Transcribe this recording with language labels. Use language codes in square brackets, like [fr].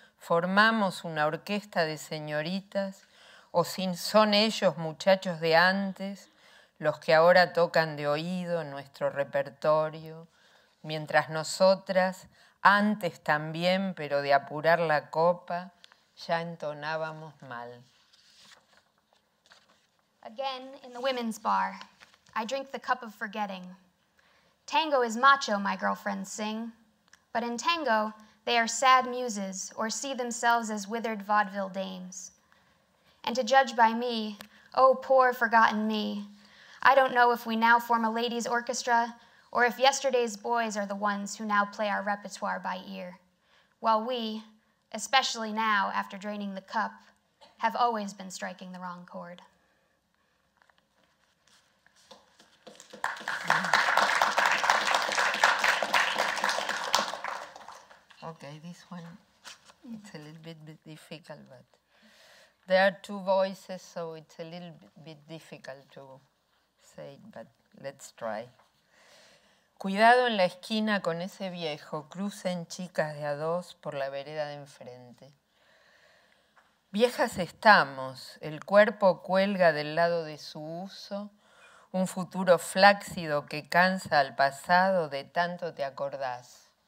[es] formamos una orquesta de señoritas, o si son ellos muchachos de antes, los que ahora tocan de oído nuestro repertorio, mientras nosotras, antes también, pero de apurar la copa, ya entonábamos mal. [en] Again, in the women's bar, I drink the cup of forgetting. Tango is macho, my girlfriends sing. But in tango, they are sad muses or see themselves as withered vaudeville dames. And to judge by me, oh, poor forgotten me, I don't know if we now form a ladies' orchestra or if yesterday's boys are the ones who now play our repertoire by ear, while we, especially now after draining the cup, have always been striking the wrong chord. Okay, this one, it's a little bit difficult, but there are two voices, so it's a little bit difficult to say it, but let's try. [es] Cuidado en la esquina con ese viejo, crucen chicas de a dos por la vereda de enfrente. Viejas estamos, el cuerpo cuelga del lado de su uso, un futuro flácido que cansa al pasado de tanto te acordás.